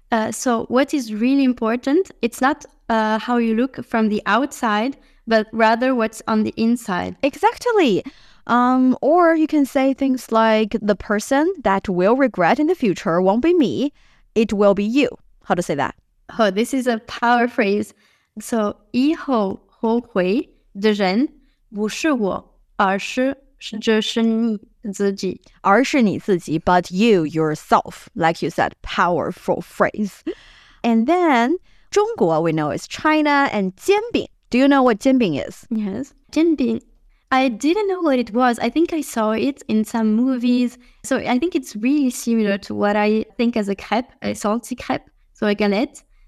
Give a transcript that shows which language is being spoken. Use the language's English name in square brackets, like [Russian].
[English] So, what is really important, it's not how you look from the outside, but rather what's on the inside. Exactly. Or you can say things like, the person that will regret in the future won't be me, it will be you. How to say that? Oh, this is a power phrase. [Chinese] So, 以后后悔的人不是我, 而是你自己. 而是你自己, [English] but you, yourself, like you said, powerful phrase. And then, 中国, we know is China, and 煎饼. Do you know what 煎饼 is? Yes, 煎饼.I didn't know what it was. I think I saw it in some movies. So I think it's really similar to what I think as a crepe, a salty crepe, so a galette.